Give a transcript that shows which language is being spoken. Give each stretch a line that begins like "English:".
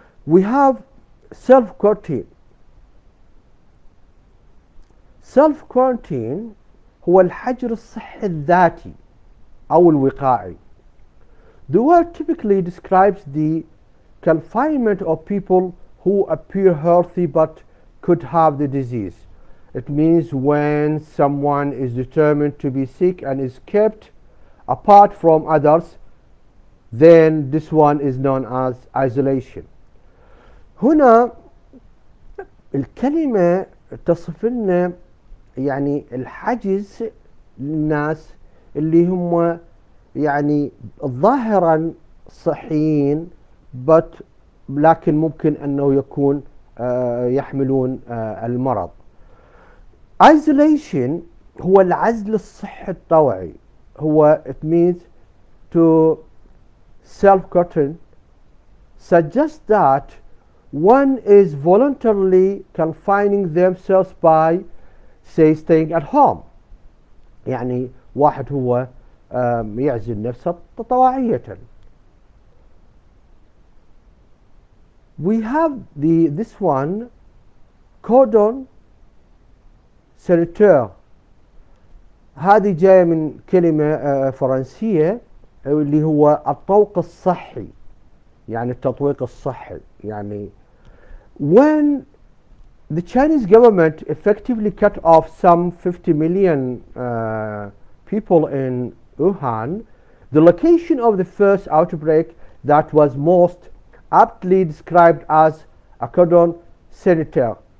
English: We have self-quarantine.
Arabic: Self-quarantine هو الحجر الصحي الذاتي أو الوقائي.
English: The word typically describes the confinement of people who appear healthy but could have the disease. It means when someone is determined to be sick and is kept apart from others, then this one is known as isolation.
Arabic: هنا الكلمة تصف لنا يعني الحجز للناس اللي هم يعني ظاهرا صحيين but لكن ممكن أنه يكون يحملون المرض.
English: Isolation
Arabic: هو العزل الصحي الطوعي، هو
English: it means to self-quarantine suggests that one is voluntarily confining themselves by say staying at home.
Arabic: يعني واحد هو يعزل نفسه طوعية.
English: We have this one cordon sanitaire.
Arabic: هذه جاية من كلمة فرنسية اللي هو الطوق الصحي، يعني التطويق الصحي.
English: يعني when the Chinese government effectively cut off some 50 million people in Wuhan, the location of the first outbreak that was most aptly described as a cordon sanitaire.